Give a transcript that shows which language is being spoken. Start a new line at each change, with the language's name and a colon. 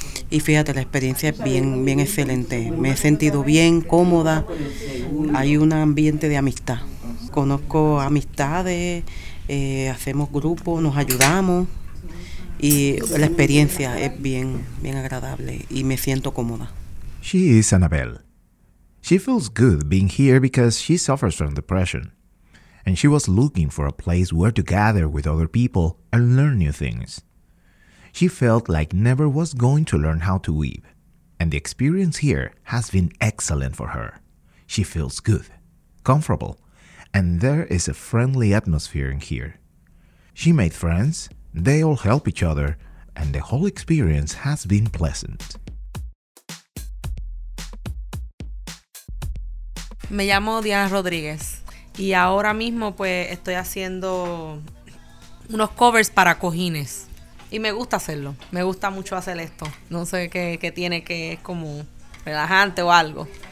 Spanish: Y fíjate, la experiencia es bien, bien excelente. Me he sentido bien, cómoda. Hay un ambiente de amistad. Conozco amistades, hacemos grupos, nos ayudamos. Y la experiencia es bien, bien agradable y me siento cómoda.
English: She is Anabel. She feels good being here because she suffers from depression. And she was looking for a place where to gather with other people and learn new things. She felt like never was going to learn how to weave. And the experience here has been excellent for her. She feels good, comfortable, and there is a friendly atmosphere in here. She made friends. They all help each other, and the whole experience has been pleasant.
Spanish: Me llamo Diana Rodríguez y ahora mismo pues estoy haciendo unos covers para cojines. Y me gusta hacerlo. Me gusta mucho hacer esto. No sé qué tiene, que es como relajante o algo.